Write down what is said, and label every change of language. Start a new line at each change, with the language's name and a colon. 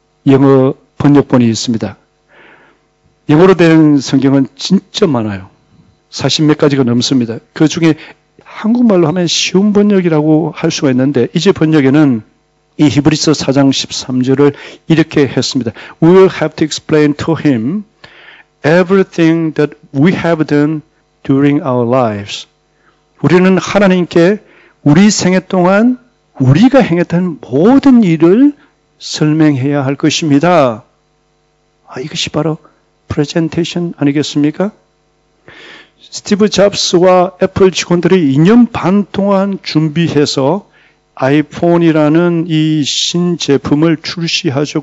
Korean: 영어 번역본이 있습니다. 영어로 된 성경은 진짜 많아요. 40몇 가지가 넘습니다. 그 중에 한국말로 하면 쉬운 번역이라고 할 수가 있는데 이제 번역에는 이 히브리서 4장 13절을 이렇게 했습니다.
English: We will have to explain to him everything that we have done during our lives.
Korean: 우리는 하나님께 우리 생애 동안 우리가 행했던 모든 일을 설명해야 할 것입니다. 아, 이것이 바로 프레젠테이션 아니겠습니까? 스티브 잡스와 애플 직원들이 2년 반 동안 준비해서 아이폰이라는 이 신제품을 출시하죠.